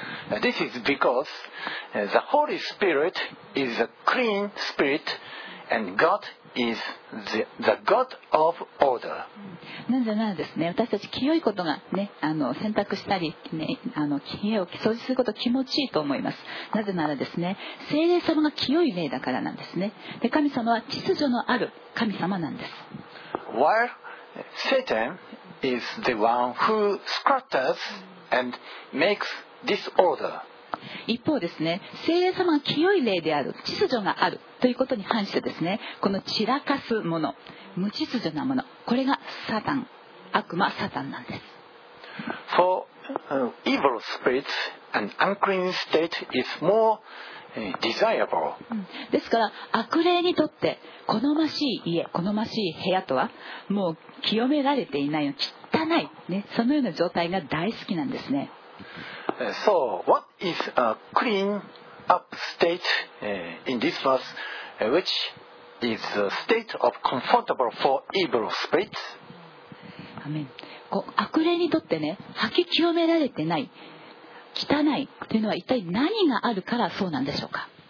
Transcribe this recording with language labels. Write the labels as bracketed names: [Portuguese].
[English] This is because the Holy Spirit is a clean spirit and God is the God of order. [Japanese] なんでならですね、私たち清いことがね、洗濯したり、ね、家を掃除すること気持ちいいと思います。なぜならですね、聖霊様が清い霊だからなんですね。で、神様は秩序のある神様なんです。 [English] While Satan is the one who scatters and makes disorder. [Japanese] 一方ですね、聖霊様が清い霊である、秩序があるということに反してですね、この散らかすもの、無秩序なもの、これがサタン、悪魔サタンなんです。 [English] For evil spirits, an unclean state is more desirable. [Japanese] ですから、悪霊にとって好ましい家、好ましい部屋とは、もう清められていない、汚い、ね、そのような状態が大好きなんですね。 [English] So, what is a clean up state in this verse, which is a state of comfortable for evil spirits? [Japanese] アメン。こう、悪霊にとってね、吐き清められてない、汚いというのは一体何があるからそうなんでしょうか。